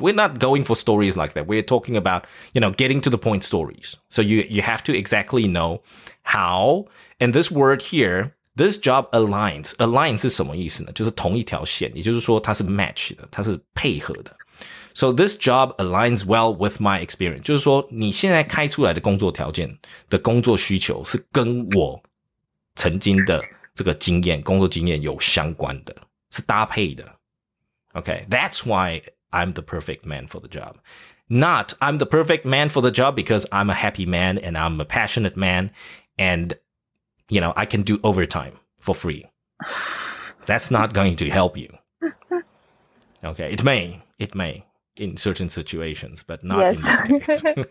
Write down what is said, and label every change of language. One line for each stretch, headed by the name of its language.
English: We're not going for stories like that. We're talking about, you know, getting to the point stories. So you have to exactly know how. And this word here, this job aligns.
Chinese: Aligns 是什么意思呢？就是同一条线，也就是说它是match的，它是配合的。
English: So this job aligns well with my experience.
Chinese: 就是说你现在开出来的工作条件的工作需求是跟我曾经的这个经验工作经验有相关的是搭配的。
English: Okay, that's why I'm the perfect man for the job. Not I'm the perfect man for the job because I'm a happy man and I'm a passionate man and, you know, I can do overtime for free. That's not going to help you. Okay, it may in certain situations, but not yes. in this case.